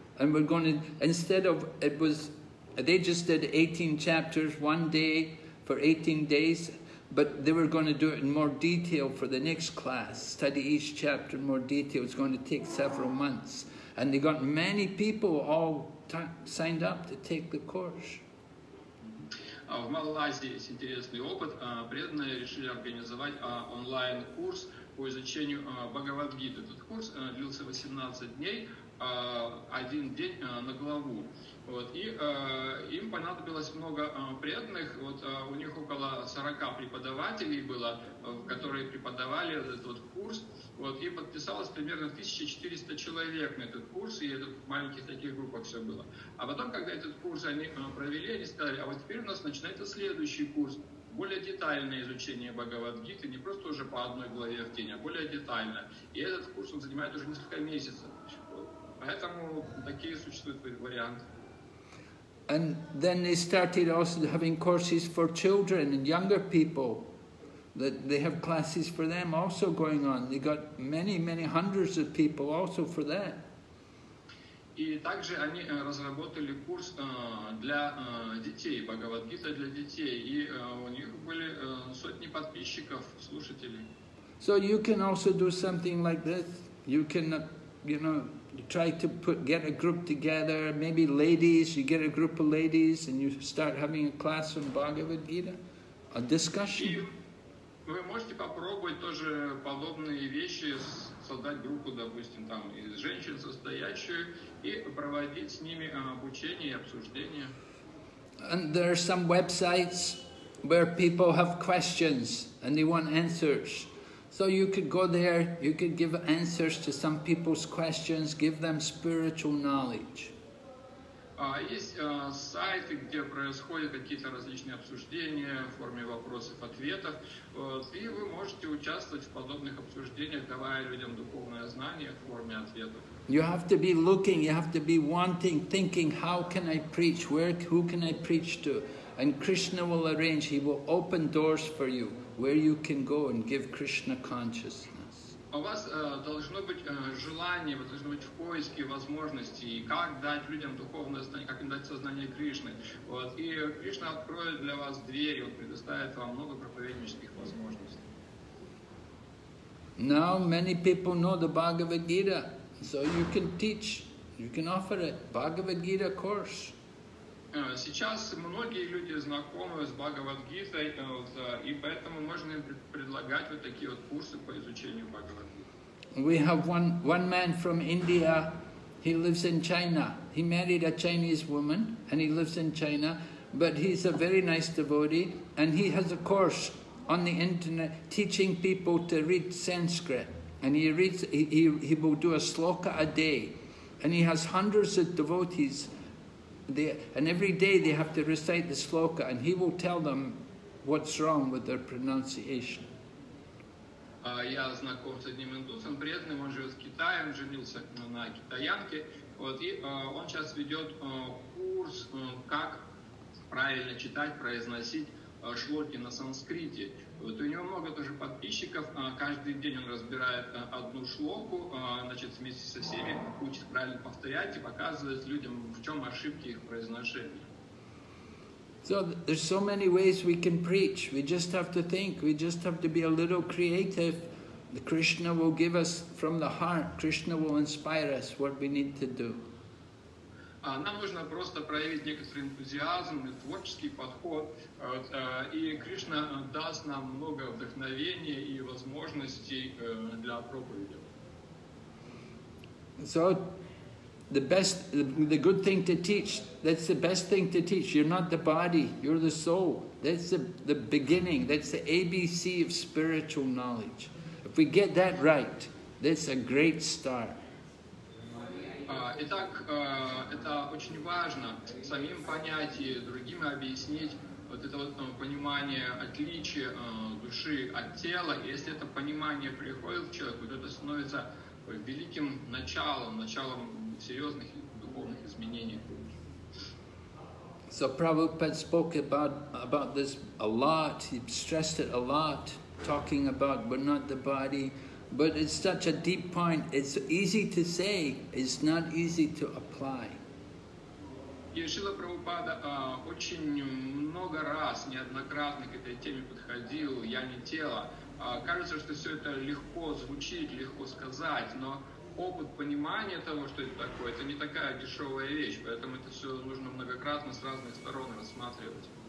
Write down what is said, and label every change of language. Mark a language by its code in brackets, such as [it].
[en] And we're going to, instead of, it was, they just did 18 chapters one day for 18 days, but they were going to do it in more detail for the next class, study each chapter in more detail. It's going to take several months. And they got many people all signed up to take the course. [ru] В Малайзии есть интересный опыт. Преданные решили организовать онлайн-курс по изучению Бхагавад-гиты. Этот курс длился 18 дней, один день на главу. Вот. И им понадобилось много преданных. Вот, у них около 40 преподавателей было, которые преподавали этот вот курс. Вот. И подписалось примерно 1400 человек на этот курс, и это в маленьких таких группах все было. А потом, когда этот курс они провели, они сказали, а вот теперь у нас начинается следующий курс, более детальное изучение Бхагавад-гиты, не просто уже по одной главе в день, а более детально. И этот курс он занимает уже несколько месяцев. Поэтому такие существуют варианты. [en] And then they started also having courses for children and younger people, that they have classes for them also going on. They got many, many hundreds of people also for that. [ru] И также они разработали курс для детей, Бхагавад-гита для детей, и у них были сотни подписчиков, слушателей. [en] So you can also do something like this. You can, you know, try to put get a group together, maybe ladies, you get a group of ladies and you start having a class on Bhagavad-gita, a discussion. [ru] Вы можете попробовать тоже подобные вещи, создать группу, допустим, там из женщин состоящую и проводить с ними обучение и обсуждение. [en] And there are some websites where people have questions and they want answers. So you could go there, you could give answers to some people's questions, give them spiritual knowledge. [ru] Есть сайты, где происходят какие-то различные обсуждения в форме вопросов-ответов, и вы можете участвовать в подобных обсуждениях, давая людям духовное знание в форме ответов. [en] You have to be looking, you have to be wanting, thinking, how can I preach, where, who can I preach to? And Krishna will arrange, He will open doors for you, where you can go and give Krishna consciousness. [ru] У вас должно быть желание, вы должны быть в поиске возможностей, как дать людям духовное знание, как им дать сознание Кришны. Вот. И Кришна откроет для вас двери, Он предоставит вам много проповеднических возможностей. [en] Now many people know the Bhagavad Gita, so you can teach, you can offer it, Bhagavad Gita course. [ru] Сейчас многие люди знакомы с Бхагавад-гитой, и поэтому можно им предлагать вот такие вот курсы по изучению Бхагавад-гиты. [en] We have one man from India, he lives in China. He married a Chinese woman and he lives in China, but he's a very nice devotee and he has a course on the internet teaching people to read Sanskrit. And he will do a sloka a day and he has hundreds of devotees. And every day they have to recite the sloka, and he will tell them what's wrong with their pronunciation. [ru] Я знаком с одним индусом преданным, он живет в Китае, он женился на китаянке, вот, и он сейчас ведет курс, как правильно читать, произносить шлоки на санскрите. Вот, у него много тоже подписчиков, каждый день он разбирает одну шлоку, значит, вместе со всеми учит правильно повторять и показывает людям, в чем ошибки их произношения. [en] So, there's so many ways we can preach. We just have to think, we just have to be a little creative. The Krishna will give us from the heart, Krishna will inspire us what we need to do. [ru] Нам нужно просто проявить некоторый энтузиазм и творческий подход, и Кришна даст нам много вдохновения и возможностей для проповеди. [en] So the best, the good thing to teach, that's the best thing to teach. You're not the body, you're the soul. That's the beginning, that's the ABC of spiritual knowledge. If we get that right, that's a great start. [ru] Итак, это очень важно самим понять и другим объяснить вот это вот понимание отличия души от тела. Если это понимание приходит в человеку, то это становится великим началом, началом серьезных духовных изменений. [en] So Prabhupada spoke about this a lot, he stressed it a lot, talking about but not the body. But it's such a deep point, it's easy to say, it's not easy to apply. [ru] И Шрила Прабхупада очень много раз, неоднократно к этой теме подходил, я не тело. Кажется, что все это легко звучит, легко сказать, но опыт понимания того, что это такое, это не такая дешевая вещь, поэтому это все нужно многократно с разных сторон рассматривать.